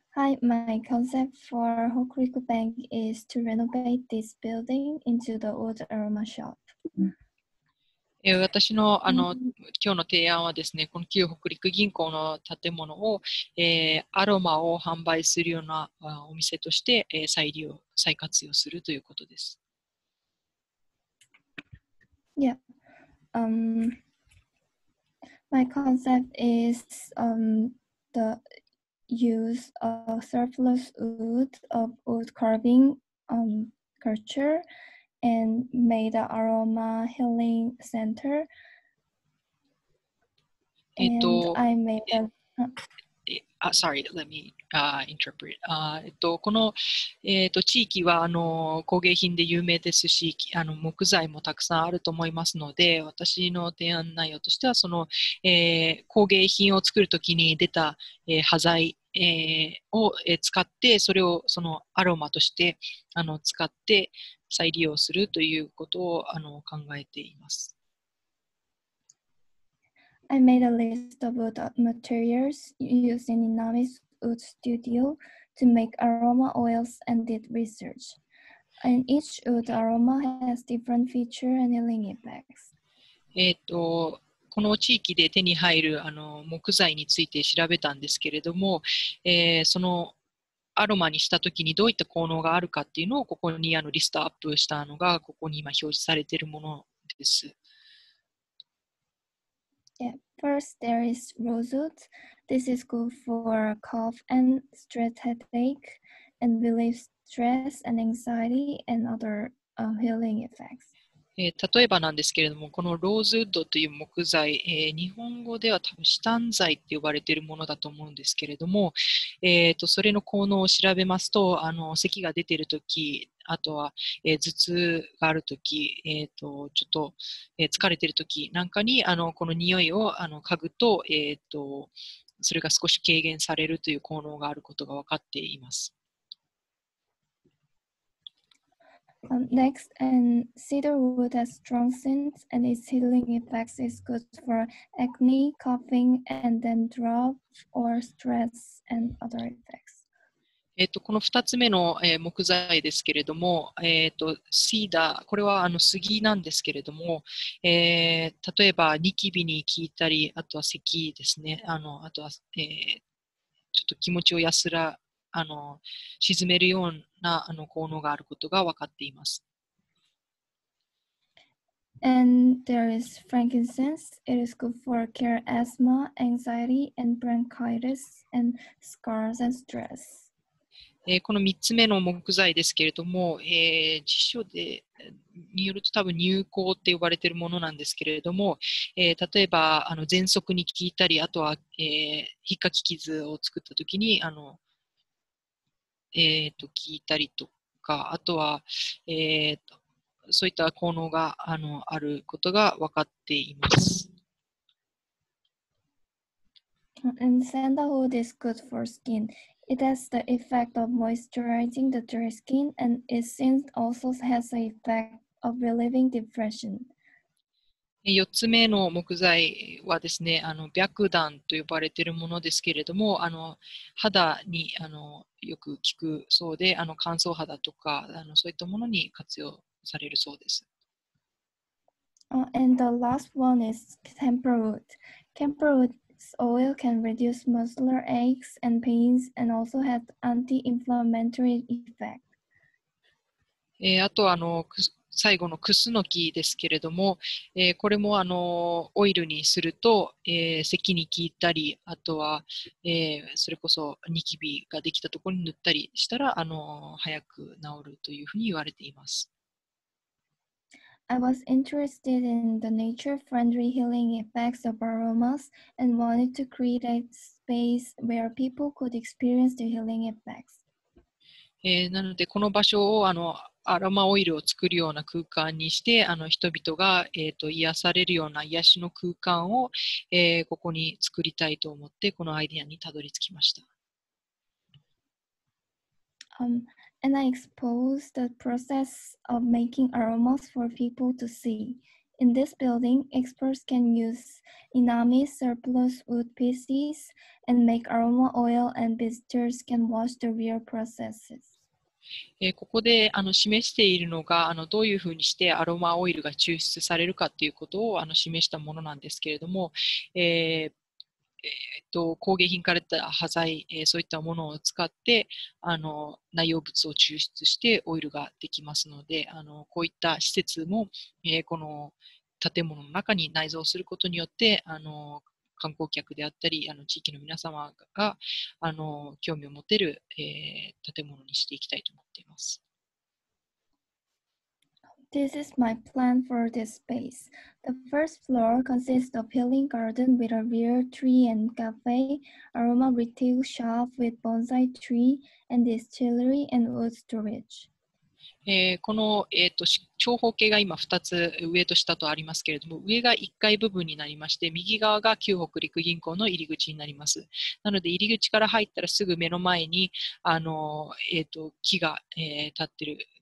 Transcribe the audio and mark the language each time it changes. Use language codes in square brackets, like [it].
[en] Hi, my concept for Hokuriku Bank is to renovate this building into the old aroma shop. [ja] 私の今日の提案はですね、この旧北陸銀行の建物を、アロマを販売するようなお店として、再利用、再活用するということです。 [en] Yeah. My concept is the... use a surplus wood of wood carving culture and made an aroma healing center and I made a Sorry, let me interpret. [ja] この、地域は工芸品で有名ですし木材もたくさんあると思いますので私の提案内容としてはその、工芸品を作るときに出た、端材、を、使ってそれをそのアロマとして使って再利用するということを考えています。 [en] I made a list of wood materials used in Inami's wood studio to make aroma oils and did research. And each wood aroma has different features and healing effects. [ja] この地域で手に入る木材について調べたんですけれども、そのアロマにしたときにどういった効能があるかっていうのをここにリストアップしたのがここに今表示されているものです。 [en] Yeah. First, there is rosewood. This is good for cough and stress headache and relieves stress and anxiety and other healing effects. [ja] 例えばなんですけれども、このローズウッドという木材、日本語では多分シタン材って呼ばれているものだと思うんですけれども、それの効能を調べますと、咳が出ているとき、あとは、頭痛があるとき、ちょっと、疲れているときなんかに、この匂いを嗅ぐと、それが少し軽減されるという効能があることが分かっています。 [en] Next, and cedarwood has strong scents and its healing effects is good for acne, coughing, and dandruff or stress and other effects. [ja] この2つ目の、木材ですけれども、シーダー、これは杉なんですけれども、例えばニキビに効いたり、あとは咳ですね、あとは、ちょっと気持ちを安ら沈めるような効能があることが分かっています。 [en] And there is frankincense. It is good for cure asthma, anxiety, and bronchitis, and scars and stress. [ja] この3つ目の木材ですけれども、辞書でによると多分乳香って呼ばれているものなんですけれども、例えば喘息に効いたり、あとは、引っかき傷を作ったときに、聞いたりとか、あとは、そういった効能が あることが分かっています。 [en] And sandalwood is good for skin. It has the effect of moisturizing the dry skin, and it seems also has the effect of relieving depression. [ja] 4つ目の木材はですね、あの白檀と呼ばれているものですけれども、あの肌にあのよく効くそうで、あの乾燥肌とかあのそういったものに活用されるそうです。 [en] And the last one is camphorwood. Camphorwood's oil can reduce muscular aches and pains and also has anti-inflammatory effect. [ja] あとあの最後のクスノキですけれども、これもあのオイルにすると、咳に効いたり、あとは、それこそニキビができたところに塗ったりしたら、あの早く治るというふうに言われています。 [en] I was interested in the nature-friendly healing effects of aromas and wanted to create a space where people could experience the healing effects. [ja] なのでこの場所をあのアロマオイルを作るような空間にして、あの人々が癒されるような癒しの空間を、ここに作りたいと思ってこのアイデアにたどり着きました。 [en] And I exposed the process of making aromas for people to see. In this building, experts can use inami surplus wood pieces and make aroma oil, and visitors can watch the real processes. [ja] ここであの示しているのがあのどういうふうにしてアロマオイルが抽出されるかということをあの示したものなんですけれども、工芸品から出た端材、そういったものを使ってあの内容物を抽出してオイルができますので、あのこういった施設も、この建物の中に内蔵することによって、あの観光客であったりあの地域の皆様があの興味を持てる、建物にしていきたいと思っています。 [en] This is my plan for this space. The first floor consists of healing garden with a real tree and cafe, aroma retail shop with bonsai tree and distillery and wood storage. [ja] この、長方形が今2つ上と下とありますけれども、上が1階部分になりまして、右側が旧北陸銀行の入り口になります。なので入り口から入ったらすぐ目の前にあの、木が、立っている。